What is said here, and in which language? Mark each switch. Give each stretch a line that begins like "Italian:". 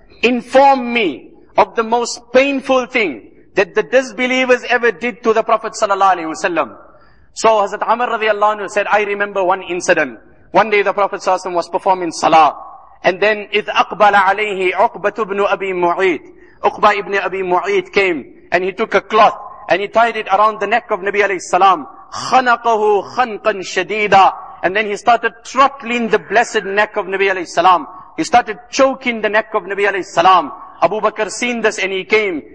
English: Inform me of the most painful thing that the disbelievers ever did to the Prophet sallallahu alayhi wa sallam. So Hazrat Amr radiyallahu anhu said, I remember one incident. One day the Prophet ﷺ was performing salah. And then,
Arabic: إِذْ أَقْبَلَ عَلَيْهِ عُقْبَةُ بْنُ أَبِي مُعِيدٍ.
English: Uqba ibn Abi Mu'id came, and he took a cloth, and he tied it around the neck of Nabi alayhi salam.
Arabic: خَنَقَهُ خَنْقًا شَدِيدًا.
English: And then he started throttling the blessed neck of Nabi alayhi salam. He started choking the neck of Nabi alayhi salam. Abu Bakr seen this, and he came.